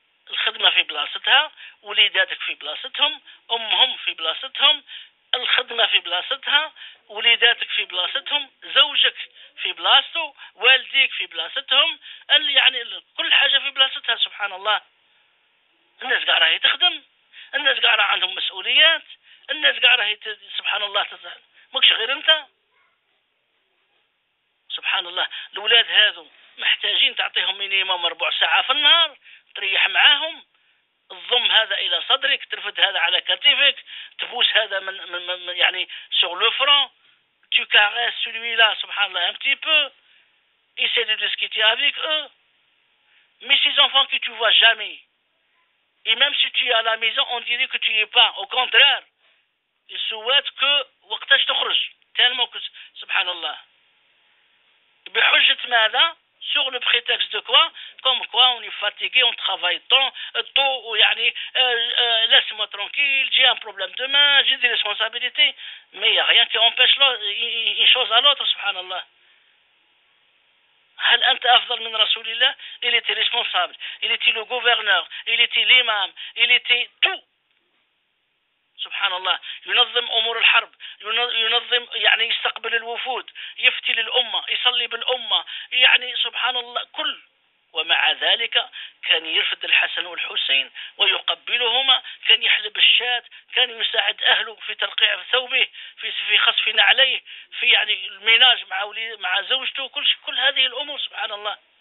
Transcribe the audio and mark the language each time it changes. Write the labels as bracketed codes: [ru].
[ar] الخدمة في بلاستها وليداتك في بلاستهم أمهم في بلاستهم الخدمة في بلاستها وليداتك في بلاستهم زوجك في بلاستو والديك في بلاستهم يعني كل حاجة في بلاستها سبحان الله. الناس قاعدة هي تخدم الناس قاعدة عندهم مسؤوليات الناس قاعدة هي سبحان الله تزعل مكش غير انت سبحان الله. الأولاد هذو محتاجين تعطيهم مينيموم ربع ساعة في النهار تريح معاهم تضم هذا إلى صدرك ترفد هذا على كتفك تبوس هذا من يعني [fr] sur le front tu caresses celui-là سبحان الله un petit peu essaie de discuter avec eux mais ces enfants que tu vois jamais et même si tu es à la maison on dirait que tu n'y es pas au contraire ils souhaitent que [ar] وقتاش تخرج [fr] tellement que سبحان الله [ar] بحجة ماذا [fr] sur le prétexte de quoi comme quoi on est fatigué on travaille tôt ou يعني laisse-moi tranquille j'ai un problème demain j'ai des responsabilités mais il y a rien qui empêche une chose à l'autre subhanallah. [ar] هل أنت أفضل من رسول الله [fr] il était responsable il était le gouverneur il était l'imam il était tout subhanallah. [ar] ينظم أمور الحرب ينظم يعني يستقبل الوفود يفتي للأمة يصلي بالأمة يعني سبحان الله كل. ومع ذلك كان يرفد الحسن والحسين ويقبلهما كان يحلب الشاة كان يساعد أهله في تلقيع ثوبه في خصف نعليه في يعني الميناج مع مع زوجته كل شيء كل هذه الأمور سبحان الله.